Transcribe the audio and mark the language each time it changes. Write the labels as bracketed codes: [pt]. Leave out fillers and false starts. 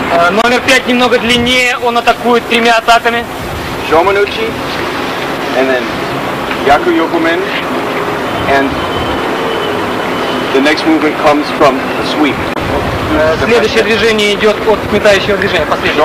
[ru] Номер пять немного длиннее, он атакует тремя атаками. [en] Shomanuchi, and then Yaku Yokumen, and the next movement comes from a sweep. [ru] Следующее движение идет от сметающего движения, последнее.